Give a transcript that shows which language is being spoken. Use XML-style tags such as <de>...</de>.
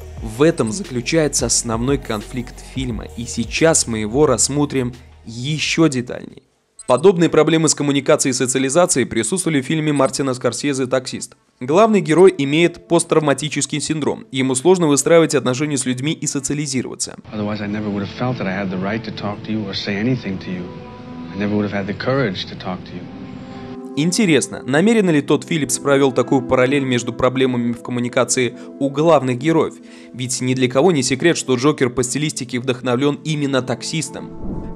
<ru>В этом заключается основной конфликт фильма, и сейчас мы его рассмотрим еще детальнее. Подобные проблемы с коммуникацией и социализацией присутствовали в фильме Мартина Скорсезе «Таксист». Главный герой имеет посттравматический синдром. Ему сложно выстраивать отношения с людьми и социализироваться.</ru> <en>Otherwise, I never would have felt that I had the right to talk to you or say anything to you. I never would have had the courage to talk to you.</en> <ru>Интересно, намеренно ли Тодд Филлипс провел такую параллель между проблемами в коммуникации у главных героев? Ведь ни для кого не секрет, что Джокер по стилистике вдохновлен именно таксистом.</ru>